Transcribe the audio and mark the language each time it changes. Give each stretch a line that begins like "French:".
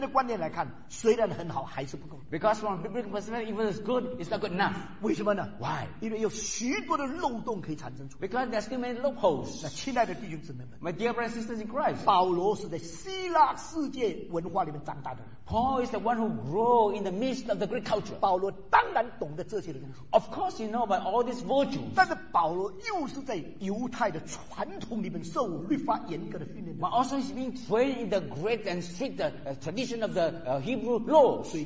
Chinese: 的观念来看, 虽然很好, 还是不够,
English: because from a biblical perspective, even if it's good, it's not good enough.
Chinese: 为什么呢?
English: Why?
Chinese: 因为有许多的漏洞可以产生出,
English: because there are still many loopholes.
Chinese: 那亲爱的弟兄姊妹们,
English: my dear brothers and sisters in Christ,
Chinese: 保罗是在希腊世界文化里面长大的,
English: Paul is the one who grew in the midst of the Greek culture.
Chinese: 保罗当然懂得这些的东西,
English: of course you know about all these virtues.
Chinese: 但是保罗又是在犹太的传统里面受律法严格的训练,
English: but also he's being trained in the great and strict tradition of the Hebrew law.